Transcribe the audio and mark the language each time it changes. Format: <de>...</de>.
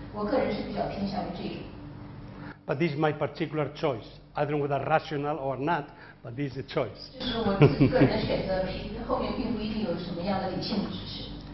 <zh>我个人是比较偏向于这种。</zh> <en>But this is my particular choice. I don't know whether rational or not, but this is a choice.</en> <zh>这是我个人的选择，后面并不一定有什么样的理性的支持。</zh>